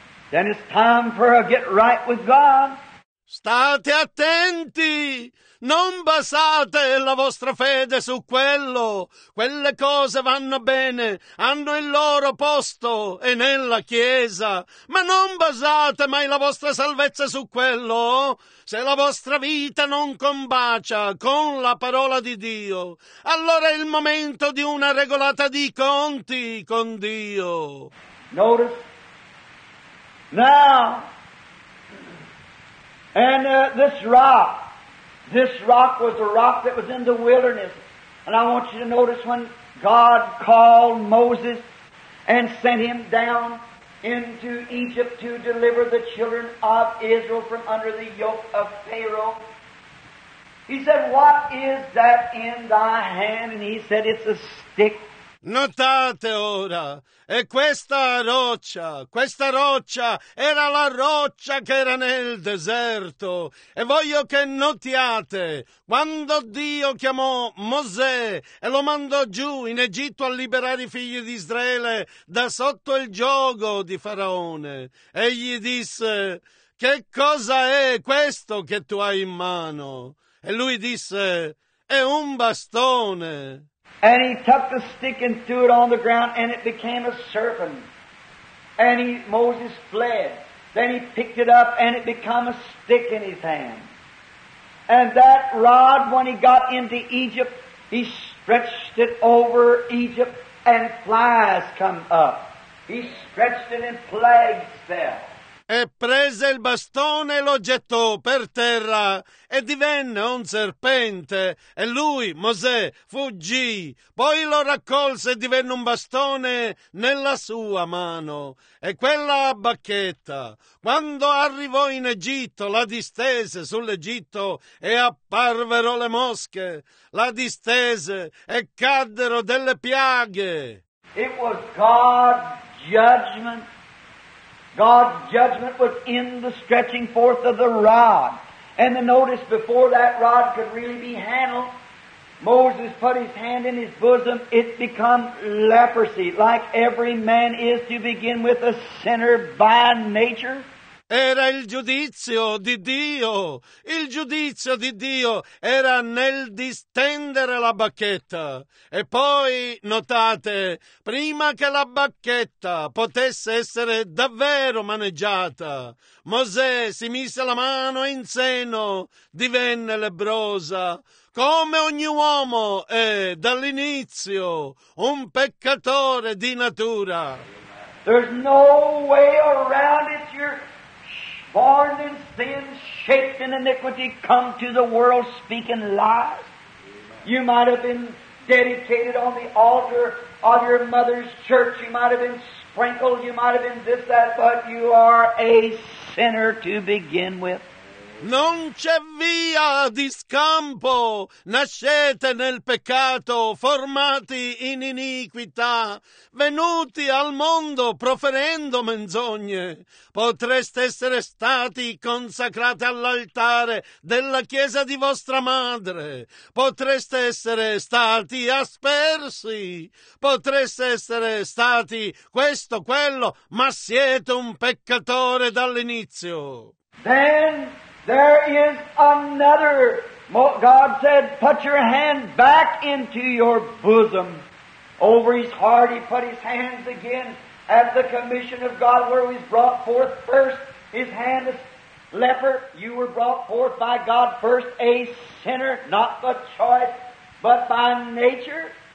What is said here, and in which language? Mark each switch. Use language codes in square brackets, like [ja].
[en] Then it's time for a get right with God. [it] State attenti! Non basate la vostra fede su quello. Quelle cose vanno bene, hanno il loro posto e nella Chiesa. Ma non basate mai la vostra salvezza su quello. Se la vostra vita non combacia con la parola di Dio, allora è il momento di una regolata di conti con Dio. [en] Notice. Now. And this rock. This rock was the rock that was in the wilderness. And I want you to notice when God called Moses and sent him down into Egypt to deliver the children of Israel from under the yoke of Pharaoh. He said, "What is that in thy hand?" And he said, "It's a stick." [it] Notate ora, e questa roccia era la roccia che era nel deserto. E voglio che notiate, quando Dio chiamò Mosè e lo mandò giù in Egitto a liberare i figli di Israele da sotto il giogo di Faraone, egli disse, che cosa è questo che tu hai in mano? E lui disse, è un bastone. [en] And he took the stick and threw it on the ground, and it became a serpent. And Moses fled. Then he picked it up, and it became a stick in his hand. And that rod, when he got into Egypt, he stretched it over Egypt, and flies come up. He stretched it, and plagues fell. [it] E prese il bastone e lo gettò per terra e divenne un serpente. E lui, Mosè, fuggì. Poi lo raccolse e divenne un bastone nella sua mano. E quella bacchetta, quando arrivò in Egitto, la distese sull'Egitto e apparvero le mosche. La distese e caddero delle piaghe. [en] It was God's judgment. God's judgment was in the stretching forth of the rod. And the notice before that rod could really be handled, Moses put his hand in his bosom, it become leprosy, like every man is to begin with, a sinner by nature. [it] Era il giudizio di Dio. Il giudizio di Dio era nel distendere la bacchetta. E poi, notate, prima che la bacchetta potesse essere davvero maneggiata, Mosè si mise la mano in seno, divenne lebbrosa, come ogni uomo è dall'inizio un peccatore di natura. [en] There's no way around it. You're born in sin, shaped in iniquity, come to the world speaking lies. You might have been dedicated on the altar of your mother's church. You might have been sprinkled. You might have been this, that, but you are a sinner to begin with. [it] Non c'è via di scampo. Nascete nel peccato, formati in iniquità, venuti al mondo proferendo menzogne. Potreste essere stati consacrati all'altare della chiesa di vostra madre. Potreste essere stati aspersi. Potreste essere stati questo, quello, ma siete un peccatore dall'inizio. [en] Then there is another. God said, put your hand back into your bosom. Over his heart he put his hands again at the commission of God where he was brought forth first. His hand is leper. You were brought forth by God first, a sinner, not by choice, but by nature.